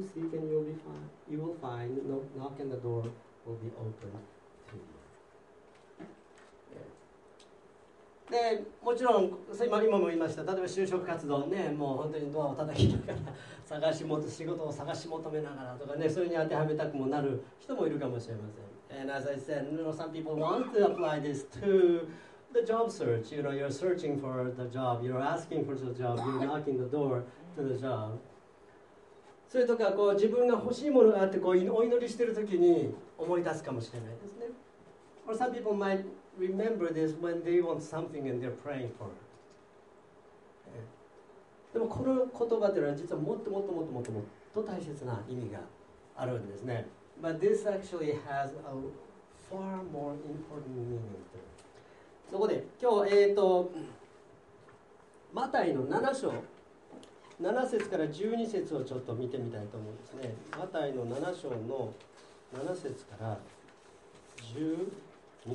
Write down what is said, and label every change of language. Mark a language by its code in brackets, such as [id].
[en] Seek and you'll be find. You will find. Knock and the door will be opened to you、 [ja] ね、でもちろん今も言いました、例えば就職活動ね、もう本当にドアを叩きながら探し持つ、仕事を探し求めながらとかね、それに当てはめたくもなる人もいるかもしれません。 [en] And as I said, you know, some people want to apply this to the job search. You know, you're searching for the job, you're asking for the job, you're knocking the door to the job. [ja] それとかこう自分が欲しいものがあってこうお祈りしてる時に思い出すかもしれないですね。 [en] Or some people might remember this when they want something and they're praying for it. [ja] でもこの言葉というのは実はもっともっともっともっともっと大切な意味があるんですね。 [en] But this actually has a far more important meaning. [ja] そこで今日、マタイの7章、7節から12節をちょっと見てみたいと思うんですね。マタイの7章の7節から12節。